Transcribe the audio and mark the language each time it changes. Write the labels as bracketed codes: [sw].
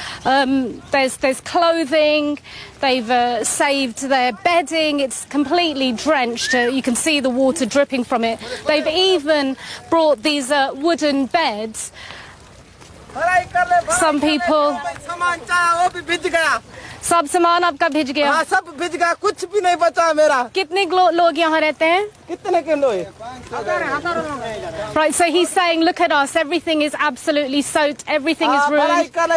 [en] There's clothing. They've saved their bedding. It's completely drenched. You can see the water dripping from it. They've even brought these wooden beds. Some people... [hi] सब सामान आपका भेज गया. Haan sab bhej gaya, kuch bhi nahi bacha mera. कितने लोग यहाँ रहते हैं? Kitne ke log? [en] Right, so he's saying, look at us, everything is absolutely soaked, everything is ruined.